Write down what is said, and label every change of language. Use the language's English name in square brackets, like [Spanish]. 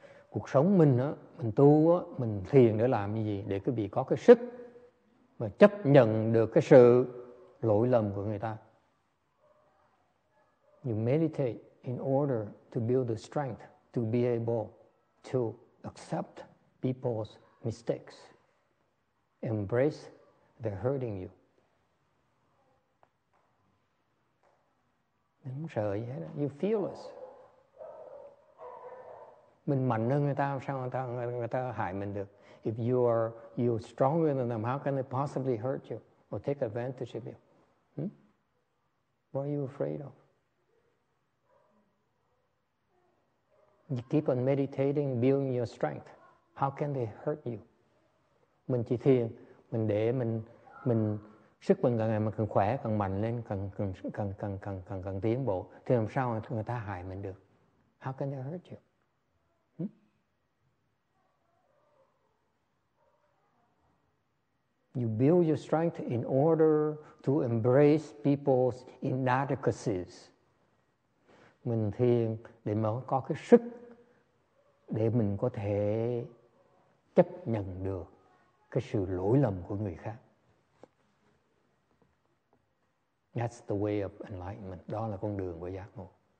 [Vietnamese] Cuộc sống mình á, mình tu á, mình thiền để làm cái gì? Để quý vị có cái sức mà chấp nhận được cái sự lỗi lầm của người ta. [English] You meditate in order to build the strength to be able to accept people's mistakes. Embrace they're hurting you. [Vietnamese] Đừng sợ gì hết. [English] You fearless. [Vietnamese] Mình mạnh hơn người ta, sao người ta hại mình được? [English] If you're stronger than them, how can they possibly hurt you or take advantage of you? What are you afraid of? You keep on meditating, building your strength. How can they hurt you? [Vietnamese] Mình chỉ thiền, mình để mình sức mình càng ngày mà càng khỏe, càng mạnh lên, càng tiến bộ. Thì làm sao người ta hại mình được? [English] How can they hurt you? You build your strength in order to embrace people's inadequacies. [Vietnamese] Mình thiền để mà có cái sức để mình có thể chấp nhận được cái sự lỗi lầm của người khác. [English] That's the way of enlightenment. [Vietnamese] Đó là con đường của giác ngộ.